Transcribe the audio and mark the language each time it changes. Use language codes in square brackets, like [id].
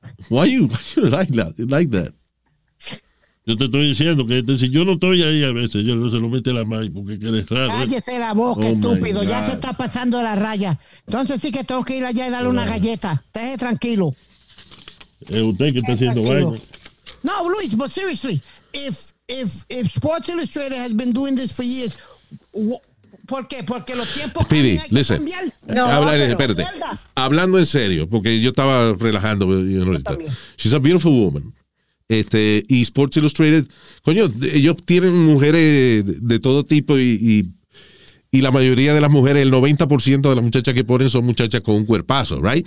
[en] Why you like that? [es] Yo te estoy diciendo que si yo no estoy ahí a veces, yo no se lo mete la mano porque quieres raro. Cállese la boca, estúpido, ya se está pasando la raya. Entonces sí que tengo que ir allá y darle una galleta. Deje tranquilo. Es usted que está haciendo vaina. [en] No, Luis, but seriously, if Sports Illustrated has been doing this for years, [es] ¿por qué? Porque los tiempos cambian. No, espérate. Hablando en serio, porque yo estaba relajando. Yo no estaba. [en] She's a beautiful woman. [es] Este, y Sports Illustrated, coño, ellos tienen mujeres de todo tipo y la mayoría de las mujeres, el 90% de las muchachas que ponen son muchachas con un cuerpazo, [en] ¿right?